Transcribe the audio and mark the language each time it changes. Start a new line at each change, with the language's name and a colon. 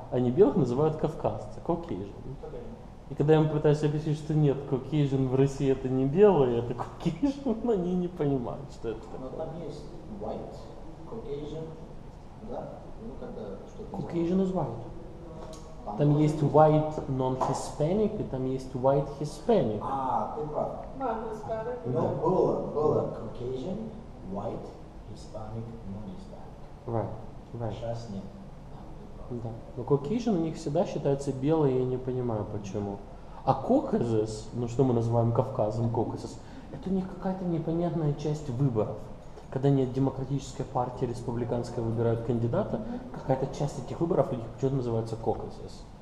Russian: Они белых называют кавказцы, Caucasian. И когда я им пытаюсь объяснить, что нет, Caucasian в России это не белые, это Caucasian, они не понимают, что это такое. Но там есть white, Caucasian, да? Ну, когда
English: Caucasian is white.
Russian: Там есть white non-hispanic и там есть white hispanic. А, ты прав.
English: Non-hispanic.
Russian: Да. Но было Caucasian, white, hispanic, non-hispanic.
English: Right.
Russian: Сейчас нет. Да. Но Caucasian у них всегда считается белой, я не понимаю почему. А Caucasus, ну что мы называем Кавказом, Caucasus, это у них какая-то непонятная часть выборов. Когда нет демократической партии, республиканская выбирают кандидата, какая-то часть этих выборов у них почему-то называется Caucasus.